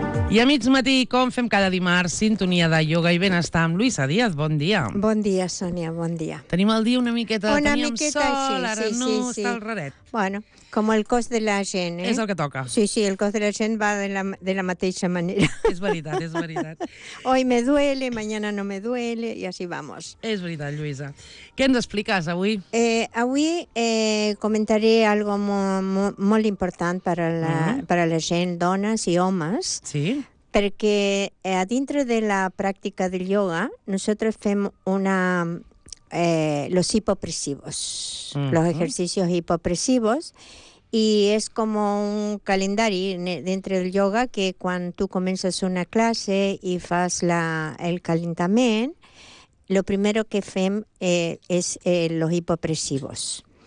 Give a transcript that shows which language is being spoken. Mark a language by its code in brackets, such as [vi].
[ca] I a mig matí, com fem cada dimarts, sintonia de ioga i benestar amb Luisa Díaz. Bon dia. Bon dia, Sònia, bon dia. Tenim el dia una miqueta... Una miqueta, sol, sí. Està al raret. Bueno, com el cos de la gent, És el que toca. Sí, sí, el cos de la gent va de la mateixa manera. És veritat, és veritat. [es] Hoy me duele, mañana no me duele, y así vamos. [ca] És veritat, Luisa. Què ens expliques avui? Avui comentaré algo molt important per a la, per a la gent, dones i homes. Sí. Perquè a dintre de la pràctica del ioga, nosaltres fem una... [es] los hipopresivos, los ejercicios hipopresivos, y es como un calendario dentro del yoga que cuando tú comienzas una clase y fas el calentamiento, lo primero que fem es los hipopresivos.